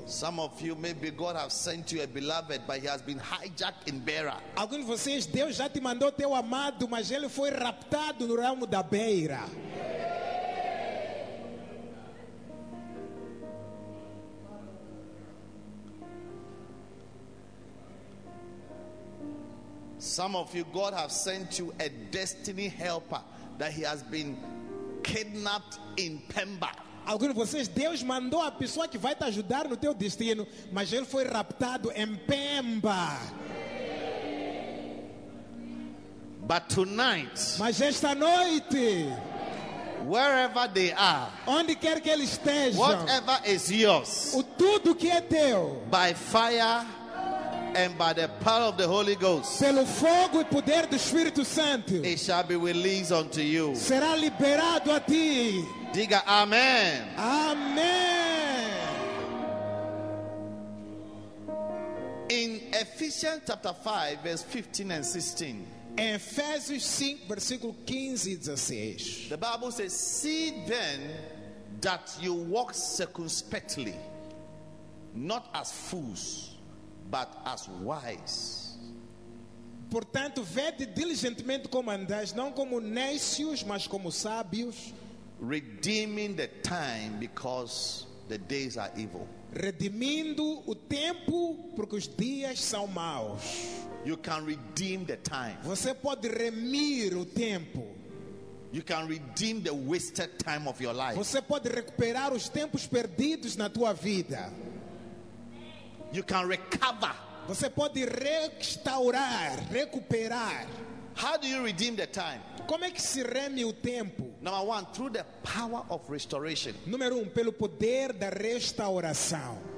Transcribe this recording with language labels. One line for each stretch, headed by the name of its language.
English: Some of you, maybe God has sent you a beloved, but he has been hijacked in Beira.
Portuguese: Alguns de vocês, Deus já te mandou teu amado, mas ele foi raptado no ramo da Beira.
English: Some of you, God has sent you a destiny helper that he has been kidnapped in Pemba.
Portuguese: Alguns de vocês, Deus mandou a pessoa que vai te ajudar no teu destino, mas ele foi raptado em Pemba.
English: But tonight,
Portuguese: mas esta noite,
English: wherever they are,
Portuguese: onde quer que eles estejam,
English: whatever is yours,
Portuguese: o tudo que é teu,
English: by fire and by the power of the Holy Ghost,
Portuguese: pelo fogo e poder do Espírito Santo,
English: it shall be released unto you.
Portuguese: Será liberado a ti. Diga amen. Amen.
English: In Ephesians chapter 5, verse 15 and 16.
Portuguese: Em Efésios 5, versículo 15 e 16.
English: The Bible says, see then that you walk circumspectly, not as fools, but as wise.
Portuguese: Portanto, vede diligentemente como andais, não como nécios, mas como sábios.
English: Redeeming the time because the days are evil.
Portuguese: Redimindo o tempo porque os dias são maus.
English: You can redeem the time.
Portuguese: Você pode remir o tempo.
English: You can redeem the wasted time of your life.
Portuguese: Você pode recuperar os tempos perdidos na tua vida.
English: You can recover.
Portuguese: Você pode restaurar, recuperar.
English: How do you redeem the time?
Portuguese: Como é que se reme o tempo?
English: Number one, through the power of restoration.
Portuguese: Número um, pelo poder da restauração.